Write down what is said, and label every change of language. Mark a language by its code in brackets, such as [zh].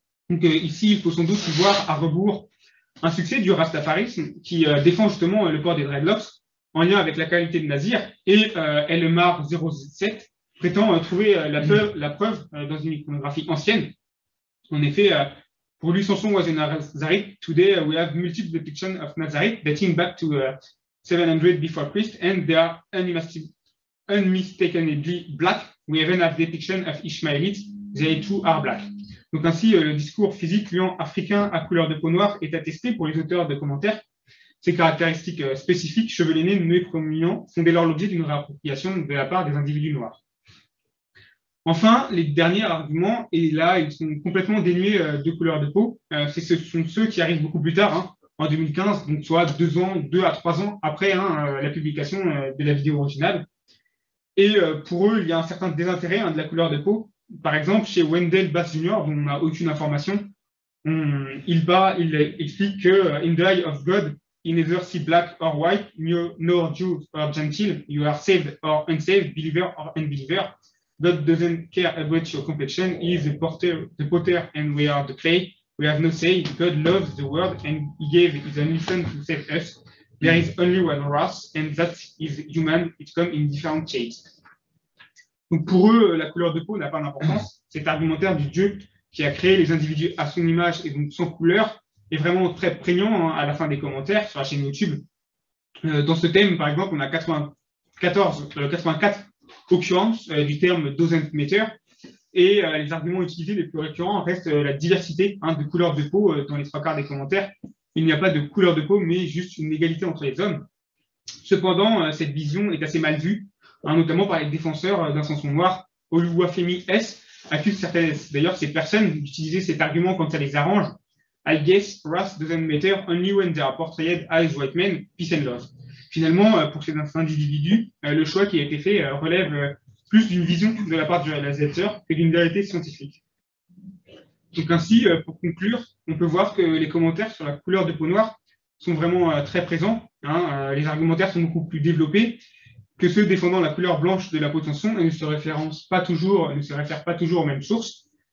[fr] Donc ici, il faut sans doute y voir à rebours un succès du rastafarisme qui défend justement le port des dreadlocks en lien avec la qualité de Nazir. Et LMR 07 prétend trouver la preuve dans une iconographie ancienne. En effet, pour lui, [en] Samson was a Nazarite. Today, we have multiple depictions of Nazarite dating back to 700 before Christ, and they are unmistakably black. We even have depictions of Ishmaelites. They too are black. [fr] Donc ainsi, le discours physique liant africain à couleur de peau noire est attesté pour les auteurs de commentaires. Ces caractéristiques spécifiques, cheveux lainés, nœuds prominents, font dès lors l'objet d'une réappropriation de la part des individus noirs. Enfin, les derniers arguments, et là, ils sont complètement dénués de couleur de peau, ce sont ceux qui arrivent beaucoup plus tard, hein, en 2015, donc soit 2 ans, 2 à 3 ans après, hein, la publication de la vidéo originale. Et pour eux, il y a un certain désintérêt, hein, de la couleur de peau. Par exemple, chez Wendell Bass Jr., dont on n'a aucune information, il explique que [en] In the eye of God, in either see black or white, you nor Jew or Gentile, you are saved or unsaved, believer or unbeliever. God doesn't care about your complexion, he is the potter and we are the clay. We have no say. God loves the world and he gave his only son to save us. There is only one race and that is human. It comes in different shapes. [fr] Donc pour eux, la couleur de peau n'a pas d'importance. Cet argumentaire du Dieu qui a créé les individus à son image et donc sans couleur est vraiment très prégnant, hein, à la fin des commentaires sur la chaîne YouTube. Dans ce thème, par exemple, on a 84 occurrence du terme doesn't matter, et les arguments utilisés les plus récurrents restent la diversité, hein, de couleur de peau. Dans les 3/4 des commentaires, il n'y a pas de couleur de peau, mais juste une égalité entre les hommes. Cependant, cette vision est assez mal vue, hein, notamment par les défenseurs d'Ascension Noire. Oluwafemi S accuse certaines, d'ailleurs, ces personnes d'utiliser cet argument quand ça les arrange. [en] I guess race doesn't matter only when they are portrayed as white men, peace and love. [fr] Finalement, pour ces individus, le choix qui a été fait relève plus d'une vision de la part du réalisateur que d'une vérité scientifique. Donc ainsi, pour conclure, on peut voir que les commentaires sur la couleur de peau noire sont vraiment très présents, hein, les argumentaires sont beaucoup plus développés que ceux défendant la couleur blanche de la peau de Samson et ne se réfèrent pas toujours aux mêmes sources.